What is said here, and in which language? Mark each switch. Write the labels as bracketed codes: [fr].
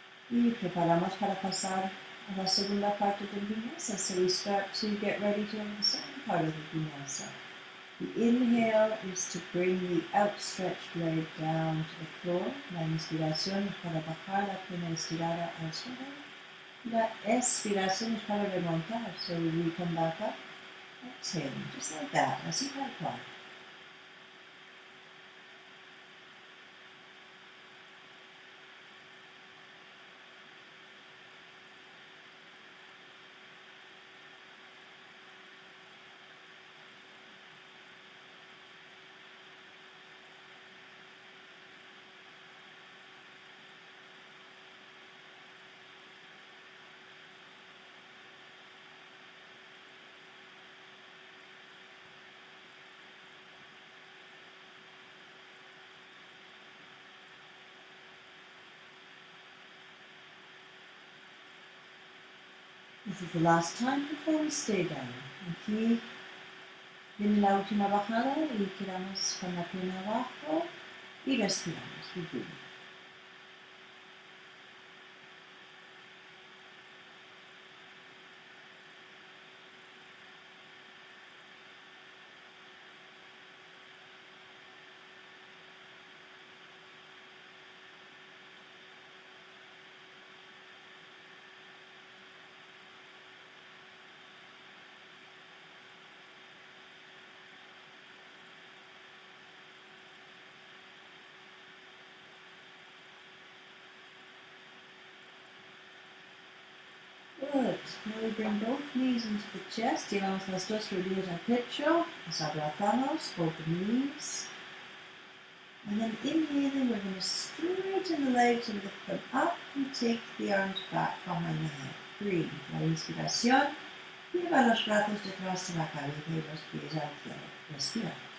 [es] Y preparamos para pasar a la segunda parte del vinyasa, [en] so we start to get ready to the second part of the vinyasa. The inhale is to bring the outstretched leg down to the floor. [es] La inspiración es para bajar la pierna estirada al suelo. La expiración es para remontar. [en] So we come back up. Exhale, just like that. [es] Así tal cual. [en] This is the last time before we stay down. [es] Aquí viene la última bajada y quedamos con la pierna abajo y respiramos. [en] Now we bring both knees into the chest. [es] Llevamos las dos rodillas al pecho. Nos abrazamos, [en] both knees. And then inhaling, we're going to straighten the legs and lift them up and take the arms back behind the head. Breathe. [es] La inspiración. Lleva los brazos detrás de la cabeza y los pies al cielo. Respira.